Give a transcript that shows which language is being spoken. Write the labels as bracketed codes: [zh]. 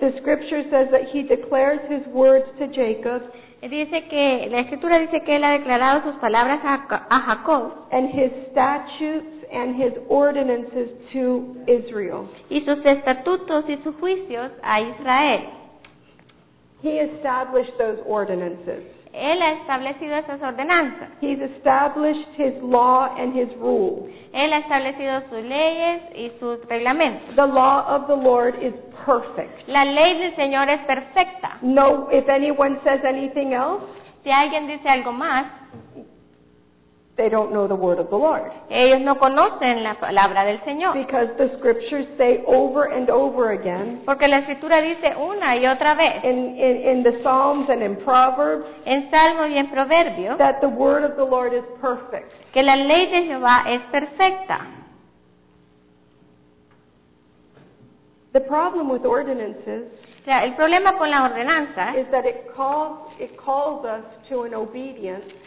[en] the scripture says that he declares his words to Jacob, [es] dice que, la escritura dice que él ha declarado sus palabras a Jacob, [en] and his statutes and his ordinances to Israel. [es] Y sus estatutos y sus juicios a Israel. [en] He established those ordinances. [es] Él ha establecido esas ordenanzas. [en] He's established his law and his rule. [es] Él ha establecido sus leyes y sus reglamentos. [en] The law of the Lord is perfect. [es] La ley del Señor es perfecta. [en] No, if anyone says anything else, [es] si alguien dice algo más, [en] they don't know the word of the Lord. [es] Ellos no conocen la palabra del Señor. [en] Because the scriptures say over and over again. [es] Porque la escritura dice una y otra vez. [en] In the Psalms and in Proverbs. [es] En Salmos y en Proverbios. [en] That the word of the Lord is perfect. [es] Que la ley de Jehová es perfecta. [en] The problem with ordinances. [es] O sea, el problema con la ordenanza. [en] Is that it calls us to an obedience.